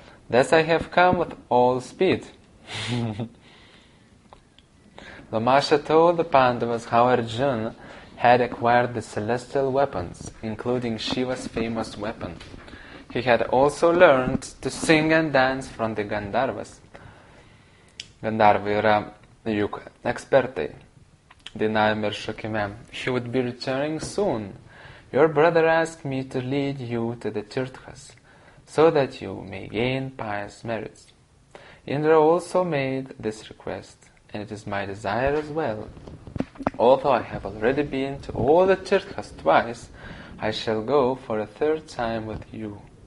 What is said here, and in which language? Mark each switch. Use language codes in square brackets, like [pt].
[en] Thus I have come with all speed. Lomasha told the Pandavas how Arjuna had acquired the celestial weapons, including Shiva's famous weapon. He had also learned to sing and dance from the Gandharvas. [lt] Gandharvai yra juk ekspertai dainavime ir šokime. [en] He would be returning soon. Your brother asked me to lead you to the Tirthas, so that you may gain pious merits. Indra also made this request, and it is my desire as well. Although I have already been to all the Tirthas twice, I shall go for a third time with you.